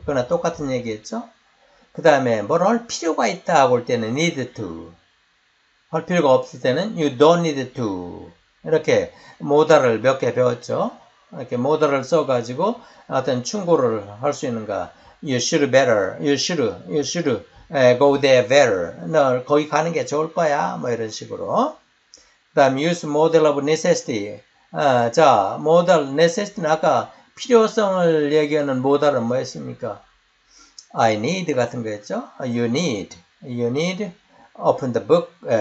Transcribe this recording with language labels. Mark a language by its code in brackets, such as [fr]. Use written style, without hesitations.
[ko] 그거나 똑같은 얘기였죠. 그 다음에 뭘할 필요가 있다고 할 때는 need to. 할 필요가 없을 때는 [en] you don't need to. [ko] 이렇게 모달을 몇개 배웠죠. 이렇게 모더를 써가지고 어떤 충고를 할수 있는가? [en] You should better, you should go there better. [ko] 너 거기 가는 게 좋을 거야. 뭐 이런 식으로. 그다음 [en] use model of necessity. [ko] 자, model necessity는 아까 필요성을 얘기하는 모더는 뭐였습니까? [en] I need [ko] 같은 거였죠? [en] You need open the book.